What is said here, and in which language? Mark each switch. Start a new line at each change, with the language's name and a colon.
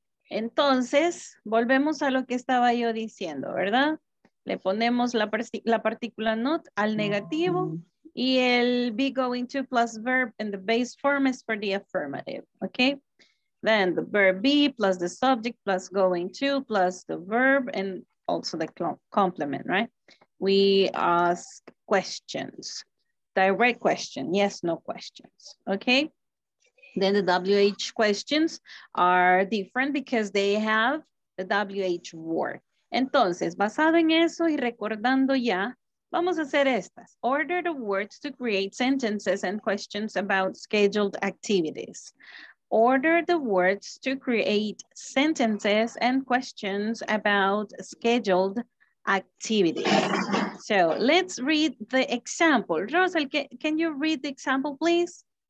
Spanish: Entonces, volvemos a lo que estaba yo diciendo, ¿verdad? Le ponemos la partícula not al negativo.
English: Y el be going to plus verb in the base form is for the affirmative, okay? Then the verb be plus the subject plus going to plus the verb and also the complement, right? We ask questions, direct question, yes, no questions, okay? Then the WH questions are different because they have the WH word.
Spanish: Entonces, basado en eso y recordando ya, vamos a hacer estas.
English: Order the words to create sentences and questions about scheduled activities. Order the words to create sentences and questions about scheduled activities. So let's read the example. Rosal, can you read the example, please?